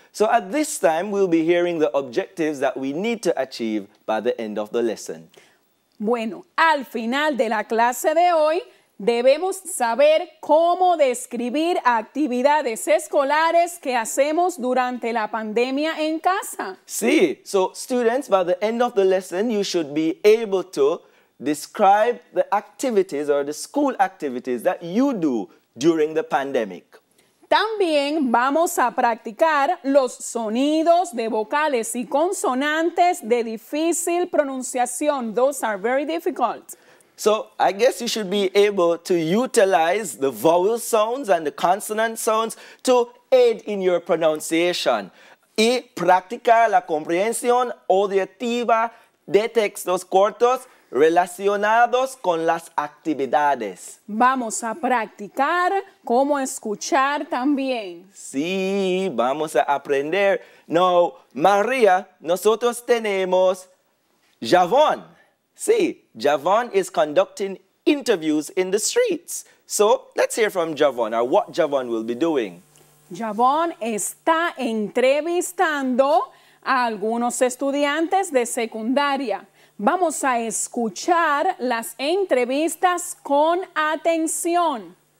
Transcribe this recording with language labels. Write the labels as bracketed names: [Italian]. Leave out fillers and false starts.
[English] So at this time, we'll be hearing the objectives that we need to achieve by the end of the lesson. [Spanish] Bueno, al final de la clase de hoy, debemos saber cómo describir actividades escolares que hacemos durante la pandemia en casa. [English] Sí, so students, by the end of the lesson, you should be able to describe the activities or the school activities that you do during the pandemic. [Spanish] También vamos a practicar los sonidos de vocales y consonantes de difícil pronunciación. [English] Those are very difficult. So, I guess you should be able to utilize the vowel sounds and the consonant sounds to aid in your pronunciation. [Spanish] Y practicar la comprensión auditiva de textos cortos relacionados con las actividades. Vamos a practicar cómo escuchar también. Sí, vamos a aprender. No, María, nosotros tenemos Javon. [English] Sí, Javon is conducting interviews in the streets. So, let's hear from Javon or what Javon will be doing. [Spanish] Javon está entrevistando a algunos estudiantes de secundaria. Vamos a escuchar las entrevistas con atención.